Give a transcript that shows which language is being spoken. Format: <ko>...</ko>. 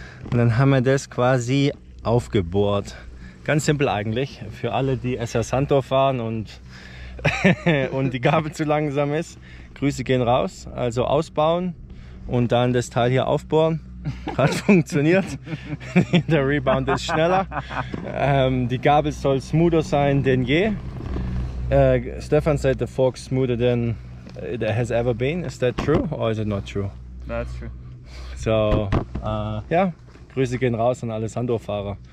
<de>Und dann haben wir das quasi aufgebohrt. Ganz simpel eigentlich, für alle, die SR Santor fahren und, und die Gabel zu langsam ist. Grüße gehen raus, also ausbauen und dann das Teil hier aufbohren. Hat funktioniert. Der Rebound ist schneller. Die Gabel soll smoother sein denn je.</de> <en>Stefan said the fork smoother than it has ever been. Is that true or is it not true? That's true.</en> <de>So, ja, Grüße gehen raus an alle Sandor-Fahrer.</de>